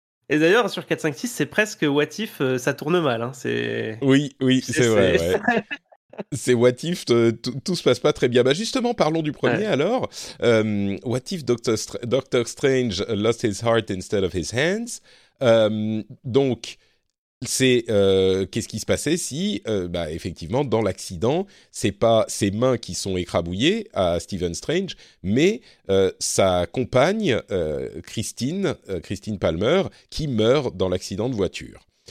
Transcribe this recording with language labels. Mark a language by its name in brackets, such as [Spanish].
[French] Et d'ailleurs, sur 4, 5, 6, c'est presque What If, ça tourne mal. Hein. C'est... Oui, c'est vrai. Ouais. C'est What If, tout se passe pas très bien. Bah justement, parlons du premier alors. [English] What If Doctor Strange lost his heart instead of his hands. [French] Donc, c'est qu'est-ce qui se passait si, effectivement, dans l'accident, c'est pas ses mains qui sont écrabouillées à Stephen Strange, mais sa compagne, Christine Palmer, qui meurt dans l'accident de voiture.